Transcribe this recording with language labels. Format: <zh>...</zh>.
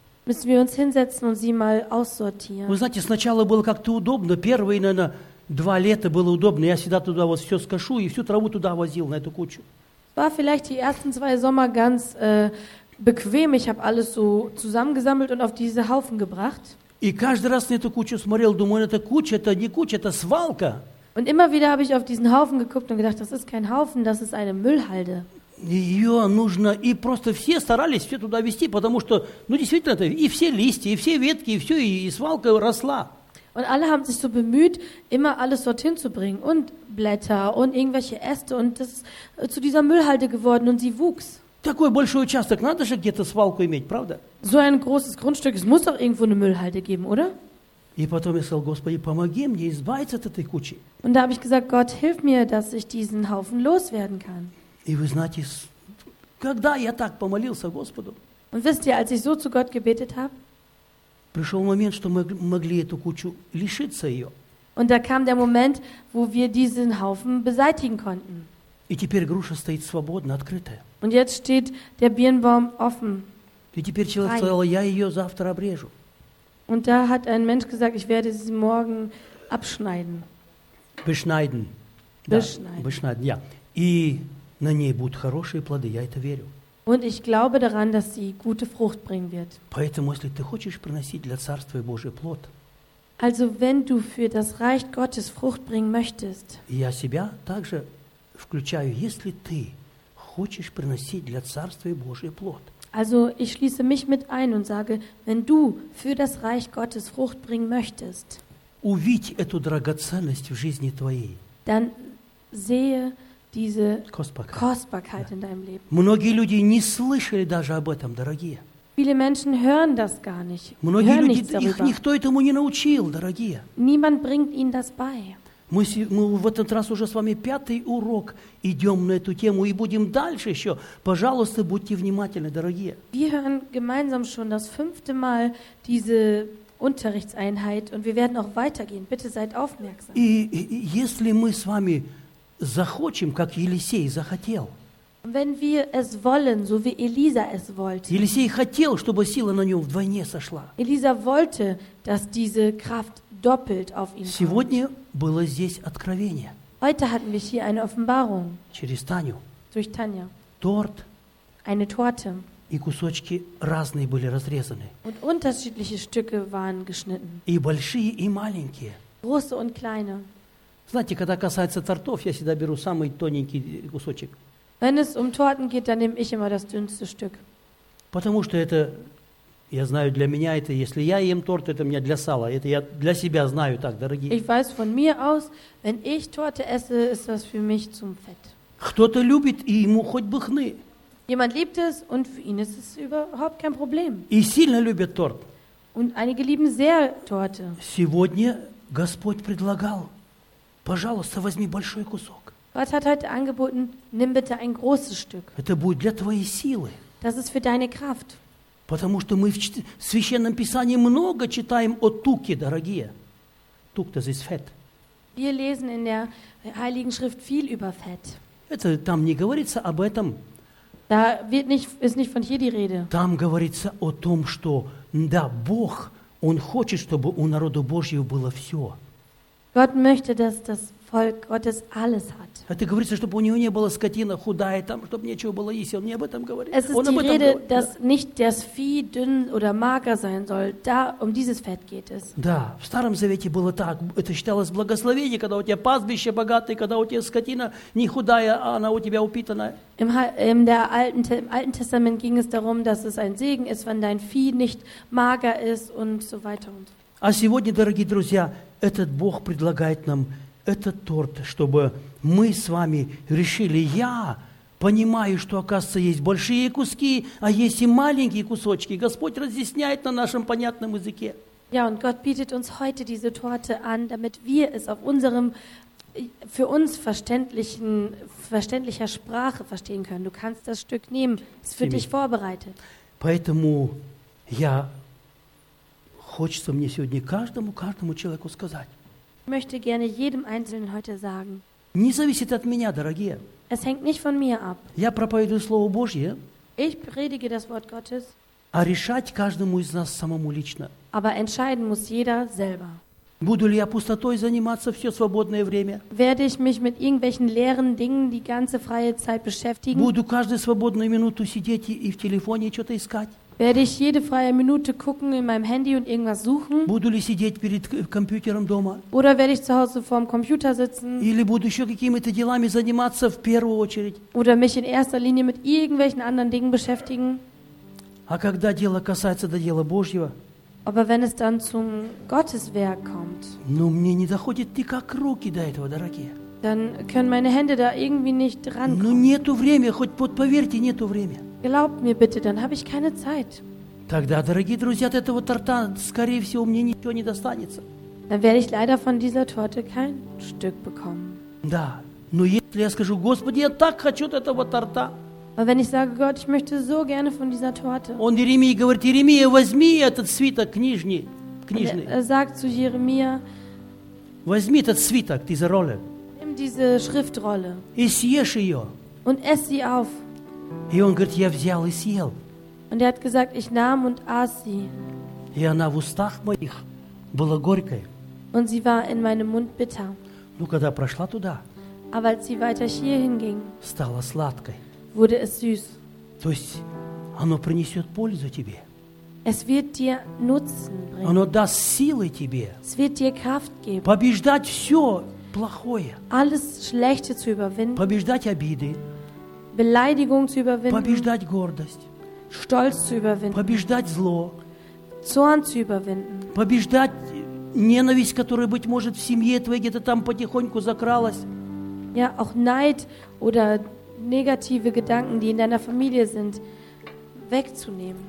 <de>Müssen wir uns hinsetzen und sie mal aussortieren.</de> <ru>Вы знаете, сначала было как-то удобно. Первые, наверное, 2 лета было удобно. Я всегда туда вот все скошу и всю траву туда возил, на эту кучу.</ru> <de>War vielleicht die ersten 2 Sommer ganz bequem. Ich habe alles so zusammengesammelt und auf diese Haufen gebracht.</de> <ru>И каждый раз на эту кучу смотрел, думаю, это куча, это не куча, это свалка.</ru> <de>Und immer wieder habe ich auf diesen Haufen geguckt und gedacht, das ist kein Haufen, das ist eine Müllhalde.</de> <ru>Ее нужно, и просто все старались все туда везти, потому что, ну действительно, это и все листья, и все ветки, и все, и свалка росла.</ru> <de>Und alle haben sich so bemüht, immer alles dorthin zu bringen. Und Blätter und irgendwelche Äste. Und das ist zu dieser Müllhalde geworden und sie wuchs.</de> <ru>Такой большой участок, надо же где-то свалку иметь, правда?</ru> <de>So ein großes Grundstück, es muss doch irgendwo eine Müllhalde geben, oder?</de> <ru>И потом я сказал, Господи, помоги мне избавиться от этой кучи.</ru> <de>Und da habe ich gesagt, Gott, hilf mir, dass ich diesen Haufen loswerden kann.</de> <ru>И вы знаете, когда я так помолился Господу?</ru> <de>Und wisst ihr, als ich so zu Gott gebetet habe,</de> <ru>пришел момент, что мы могли эту кучу лишиться ее.</ru> <de>Und da kam der Moment, wo wir diesen Haufen beseitigen konnten.</de> <ru>И теперь груша стоит свободно, открытая.</ru> <de>Und jetzt steht der Birnbaum offen.</de> <ru>И теперь человек сказал, я ее завтра обрежу.</ru> <de>Und da hat ein Mensch gesagt, ich werde sie morgen abschneiden. Beschneiden. Beschneiden. Да, beschneiden, ja.</de> <ru>И на ней будут хорошие плоды, я это верю.</ru> <de>Und ich glaube daran, dass sie gute Frucht bringen wird.</de> <ru>Поэтому, если ты хочешь приносить для Царства Божьего плод,</ru> <de>also wenn du für das Reich Gottes Frucht bringen möchtest,</de> <ru>я себя также включаю, если ты хочешь. хочешь приносить для Царства Божьего плод.</ru> <de>Also, ich schließe mich mit ein und sage, wenn du für das Reich Gottes Frucht bringen möchtest,</de> <ru>увидь эту драгоценность в жизни твоей.</ru> <de>Dann sehe diese Kostbarkeit in deinem Leben.</de> <ru>Многие люди не слышали даже об этом, дорогие.</ru> <de>Viele Menschen hören das gar nicht.</de> <ru>Многие люди, их никто этому не научил, дорогие.</ru> <de>Niemand bringt ihnen das bei.</de> <ru>Мы в этот раз уже с вами пятый урок идем на эту тему и будем дальше еще. Пожалуйста, будьте внимательны, дорогие.</ru> <de>Wir hören gemeinsam schon das fünfte Mal diese Unterrichtseinheit und wir werden auch weitergehen. Bitte seid aufmerksam.</de> <ru>И если мы с вами захочем, как Елисей захотел.</ru> <de>Wenn wir es wollen, so wie Elisa es wollte.</de> <ru>Елисей хотел, чтобы сила на нем вдвойне сошла.</ru> <de>Elisa wollte, dass diese Kraft doppelt auf ihn</de> <ru>Сегодня</ru> <de>kommt.</de> <ru>Было здесь откровение.</ru> <de>Heute hatten wir hier eine Offenbarung.</de> <ru>Через Таню.</ru> <de>Durch Tanja.</de> <ru>Торт.</ru> <de>Eine Torte.</de> <ru>И кусочки разные были разрезаны.</ru> <de>Und unterschiedliche Stücke waren geschnitten.</de> <ru>И большие, и маленькие.</ru> <de>Große und kleine.</de> <ru>Знаете, когда касается тортов, я всегда беру самый тоненький кусочек.</ru> <de>Wenn es Torten geht, dann nehme ich immer das dünnste Stück.</de> <ru>Потому что это, я знаю, для меня это, если я ем торт, это у меня для сала. Это я для себя знаю так, дорогие.</ru> <de>Ich weiß von mir aus, wenn ich Torte esse, ist das für mich zum Fett.</de> <ru>Кто-то любит, и ему хоть бы хны.</ru> <de>Jemand liebt es, und für ihn ist es überhaupt kein Problem.</de> <ru>И сильно любят торт.</ru> <de>Und einige lieben sehr Torte.</de> <ru>Сегодня Господь предлагал, пожалуйста, возьми большой кусок.</ru> <de>Gott hat heute angeboten, nimm bitte ein großes Stück.</de> <ru>Это будет для твоей силы.</ru> <de>Das ist für deine Kraft.</de> <ru>Потому что мы в Священном Писании много читаем о туке, дорогие.</ru> <de>Тук, das ist Fett. Wir lesen in der Heiligen Schrift viel über Fett.</de> <ru>Это там не говорится об этом.</ru> <de>Da wird nicht, ist nicht von hier die Rede.</de> <ru>Там говорится о том, что да, Бог, Он хочет, чтобы у народа Божьего было все.</ru> <de>Gott möchte, dass das Volk Gottes alles hat.</de> <ru>Это говорится, чтобы у него не было скотина худая там, чтобы нечего было есть. Он не об этом говорит.</ru> <de>Es ist die Rede, dass nicht das Vieh dünn oder mager sein soll. Da um dieses Fett geht es.</de> <ru>Да, в Старом Завете было так. Это считалось благословением, когда у тебя пастбище богатое, когда у тебя скотина не худая, а она у тебя упитанная.</ru> <de>Im Alten Testament ging es darum, dass es ein Segen ist, wenn dein Vieh nicht mager ist und so weiter und so.</de> <ru>А сегодня, дорогие друзья, этот Бог предлагает нам этот торт, чтобы мы с вами решили, я понимаю, что, оказывается, есть большие куски, а есть и маленькие кусочки. Господь разъясняет на нашем понятном языке.</ru> <de>Ja, und Gott bietet uns heute diese Torte an, damit wir es auf unserem für uns verständlicher Sprache verstehen können. Du kannst das Stück nehmen, es für dich vorbereitet.</de> <ru>Поэтому я хочется мне сегодня каждому человеку сказать.</ru> <de>Ich möchte gerne jedem Einzelnen heute sagen.</de> <ru>Не зависит от меня, дорогие.</ru> <de>Es hängt nicht von mir ab.</de> <ru>Я проповедую Слово Божье.</ru> <de>Ich predige das Wort Gottes.</de> <ru>А решать каждому из нас самому лично.</ru> <de>Aber entscheiden muss jeder selber.</de> <ru>Буду ли я пустотой заниматься все свободное время?</ru> <de>Werde ich mich mit irgendwelchen leeren Dingen die ganze freie Zeit beschäftigen?</de> <ru>Буду каждую свободную минуту сидеть и в телефоне что-то искать?</ru> <de>Werde ich jede freie Minute gucken in meinem Handy und irgendwas suchen?</de> <ru>Буду ли сидеть перед компьютером дома?</ru> <de>Oder werde ich zu Hause vor dem Computer sitzen?</de> <ru>Или буду еще какими-то делами заниматься в первую очередь?</ru> <de>Oder mich in erster Linie mit irgendwelchen anderen Dingen beschäftigen?</de> <ru>А когда дело касается до дела Божьего?</ru> <de>Aber wenn es dann zum Gotteswerk kommt?</de> <ru>Ну мне не доходит никак руки до этого, дорогие.</ru> <de>Dann können meine Hände da irgendwie nicht dran.</de> <ru>Ну нету времени, хоть вот поверьте, нету времени.</ru> <de>Glaubt mir bitte, dann habe ich keine Zeit.</de> <ru>Тогда, дорогие друзья, от этого торта, скорее всего, мне ничего не достанется.</ru> <de>Dann werde ich leider von dieser Torte kein Stück bekommen.</de> <ru>Да, но если я скажу, Господи, я так хочу от этого торта.</ru> <de>Aber wenn ich sage, Gott, ich möchte so gerne von dieser Torte.</de> <ru>Он Иеремии говорит, Иеремия, возьми этот свиток книжный.</ru> <de>Er sagt zu Jeremia,</de> <ru>возьми этот свиток,</ru> <de>diese Rolle. Nimm diese Schriftrolle.</de> <ru>И съешь ее.</ru> <de>Und ess sie auf.</de> <ru>И он говорит, я взял и съел.</ru> <de>Und hat gesagt, ich nahm und aß sie.</de> <ru>И она в устах моих была горькой.</ru> <de>Und sie war in meinem Mund bitter.</de> <ru>Но когда прошла туда,</ru> <de>aber als sie weiter hier hinging,</de> <ru>стала сладкой.</ru> <de>Wurde es süß.</de> <ru>То есть оно принесет пользу тебе.</ru> <de>Es wird dir Nutzen bringen.</de> <ru>Оно даст силы тебе.</ru> <de>Es wird dir Kraft geben.</de> <ru>Побеждать все плохое.</ru> <de>Alles Schlechte zu überwinden.</de> <ru>Побеждать обиды.</ru> <de>Beleidigung zu überwinden,</de> <ru>побеждать гордость,</ru> <de>Stolz zu überwinden,</de> <ru>побеждать зло,</ru> <de>Zorn zu überwinden,</de> <ru>побеждать ненависть, которая, быть может, в семье твоей где-то там потихоньку закралась.</ru> <de>Ja, auch Neid oder negative Gedanken, die in deiner Familie sind, wegzunehmen.</de>